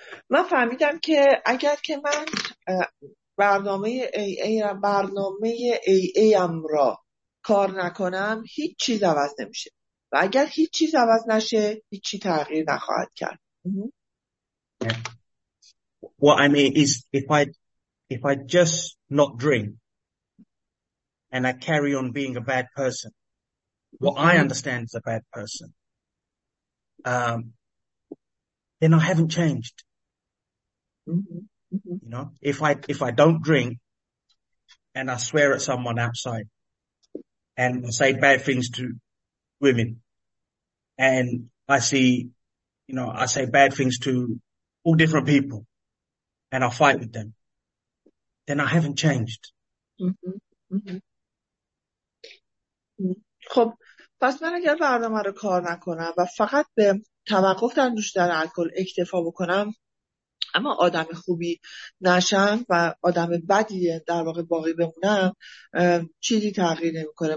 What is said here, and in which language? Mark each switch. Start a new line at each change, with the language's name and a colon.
Persian: من فهمیدم که اگر که من برنامه AA ام را کار نکنم، هیچ چیز عوض نمیشه. و اگر هیچ چیز عوض نشه، هیچ چی تغییر نخواهد کرد.
English: What I mean is if I just not drink and I carry on being a bad person. What I understand is a bad person. Then I haven't changed. You know, if I don't drink and I swear at someone outside and say bad things to women and I see, you know, I say bad things to all different people and I fight with them, then I haven't changed.
Persian: خب پس من اگر برنامه رو کار نکنم و فقط به توقف در نوشیدن الکل اکتفا بکنم، اما آدم خوبی نشم و آدم بدی در واقع باقی بمونم، چیزی تغییر نمی کنه.